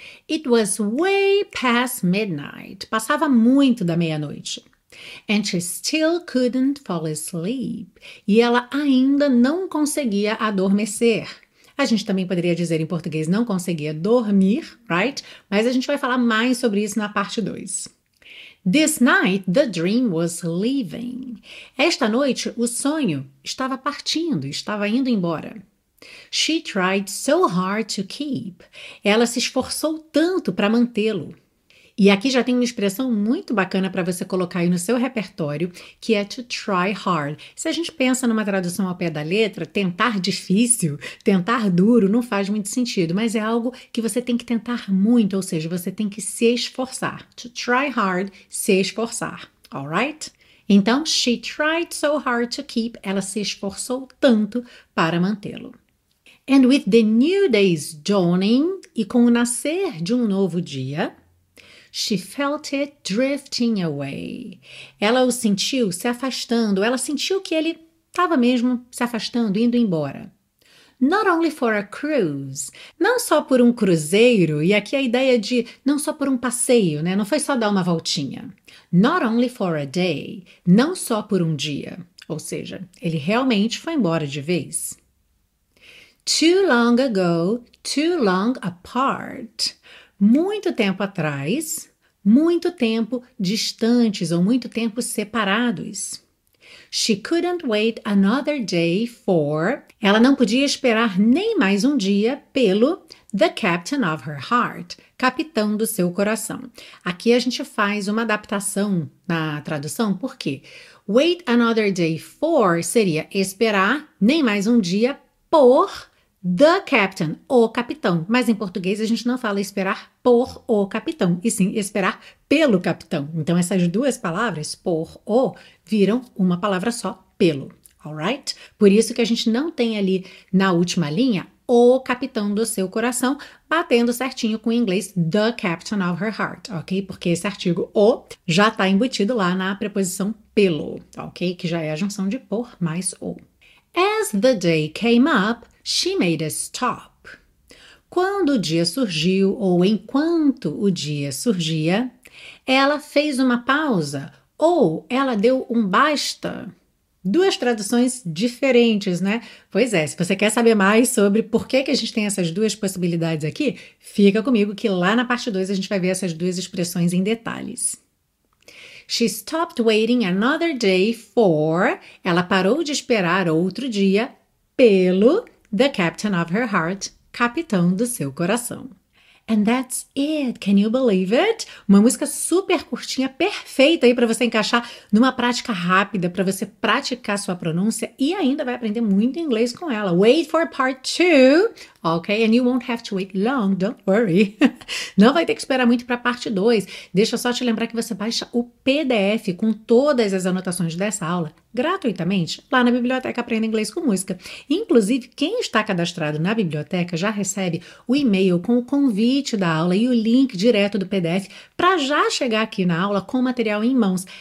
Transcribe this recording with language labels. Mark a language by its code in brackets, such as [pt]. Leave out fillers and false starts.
[en] It was way past midnight. [pt] Passava muito da meia-noite. [en] And she still couldn't fall asleep. [pt] E ela ainda não conseguia adormecer. A gente também poderia dizer em português não conseguia dormir, [en] right? [pt] Mas a gente vai falar mais sobre isso na parte 2. [en] This night, the dream was leaving. [pt] Esta noite, o sonho estava partindo, estava indo embora. [en] She tried so hard to keep. [pt] Ela se esforçou tanto para mantê-lo. E aqui já tem uma expressão muito bacana para você colocar aí no seu repertório, que é to try hard. Se a gente pensa numa tradução ao pé da letra, tentar difícil, tentar duro, não faz muito sentido, mas é algo que você tem que tentar muito, ou seja, você tem que se esforçar. [en] To try hard, [pt] se esforçar. [en] All right? [pt] Então, [en] she tried so hard to keep. [pt] Ela se esforçou tanto para mantê-lo. [en] And with the new day's dawning, [pt] e com o nascer de um novo dia, [en] she felt it drifting away. [pt] Ela o sentiu se afastando, ela sentiu que ele estava mesmo se afastando, indo embora. [en] Not only for a cruise, [pt] não só por um cruzeiro, e aqui a ideia de não só por um passeio, né? Não foi só dar uma voltinha. [en] Not only for a day, [pt] não só por um dia, ou seja, ele realmente foi embora de vez. [en] Too long ago, too long apart. [pt] Muito tempo atrás, muito tempo distantes ou muito tempo separados. [en] She couldn't wait another day for. [pt] Ela não podia esperar nem mais um dia pelo [en] the captain of her heart, [pt] capitão do seu coração. Aqui a gente faz uma adaptação na tradução, por quê? [en] Wait another day for [pt] seria esperar nem mais um dia por [en] the captain, [pt] o capitão. Mas em português a gente não fala esperar por o capitão, e sim esperar pelo capitão. Então essas duas palavras, por o, viram uma palavra só, pelo. [en] Alright? [pt] Por isso que a gente não tem ali na última linha o capitão do seu coração, batendo certinho com o inglês [en] the captain of her heart, [pt] ok? Porque esse artigo o já está embutido lá na preposição pelo, ok? Que já é a junção de por mais o. [en] As the day came up, she made a stop. [pt] Quando o dia surgiu, ou enquanto o dia surgia, ela fez uma pausa, ou ela deu um basta. Duas traduções diferentes, né? Pois é, se você quer saber mais sobre por que que a gente tem essas duas possibilidades aqui, fica comigo que lá na parte 2 a gente vai ver essas duas expressões em detalhes. [en] She stopped waiting another day for. [pt] Ela parou de esperar outro dia pelo [en] the captain of her heart, [pt] capitão do seu coração. [en] And that's it. Can you believe it? [pt] Uma música super curtinha, perfeita aí para você encaixar numa prática rápida, para você praticar sua pronúncia e ainda vai aprender muito inglês com ela. [en] Wait for part 2, ok? And you won't have to wait long, don't worry. [pt] Não vai ter que esperar muito para parte 2. Deixa só te lembrar que você baixa o PDF com todas as anotações dessa aula gratuitamente lá na Biblioteca Aprenda Inglês com Música. Inclusive, quem está cadastrado na biblioteca já recebe o e-mail com o convite da aula e o link direto do PDF para já chegar aqui na aula com o material em mãos.